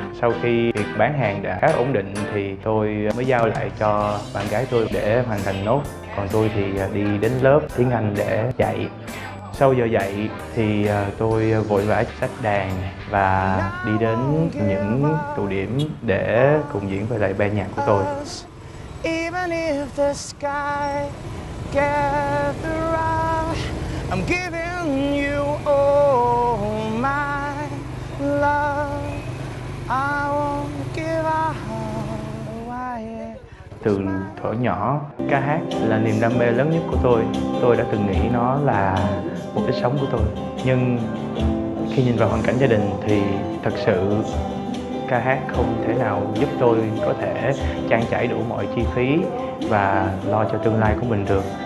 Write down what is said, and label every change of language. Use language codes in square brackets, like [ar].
[vi] Sau khi việc bán hàng đã khá ổn định thì tôi mới giao lại cho bạn gái tôi để hoàn thành nốt. Còn tôi thì đi đến lớp tiếng Anh để dạy. Sau giờ dạy thì tôi vội vã xách đàn và đi đến những tụ điểm để cùng diễn với lại ban nhạc của tôi. [en] Even if the sky gets rough, I'm giving you all my love. I won't give up. Why? [vi] Từ thuở nhỏ, ca hát là niềm đam mê lớn nhất của tôi. Tôi đã từng nghĩ nó là mục đích sống của tôi. Nhưng khi nhìn vào hoàn cảnh gia đình thì thật sự ca hát không thể nào giúp tôi có thể trang trải đủ mọi chi phí và lo cho tương lai của mình được.